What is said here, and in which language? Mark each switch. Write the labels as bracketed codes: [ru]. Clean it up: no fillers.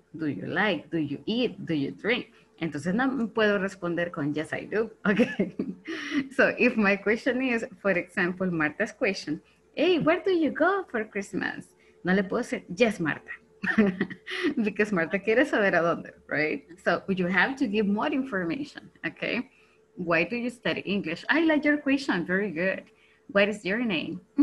[en] Do you like, do you eat, do you drink? [es] Entonces no puedo responder con [en] yes, I do, okay? So if my question is, for example, Marta's question, hey, where do you go for Christmas? [es] No le puedo decir, yes, Marta. [en] Because [es] Marta quiere saber a dónde, right? [en] So you have to give more information, okay? Why do you study English? I like your question, very good. What is your name?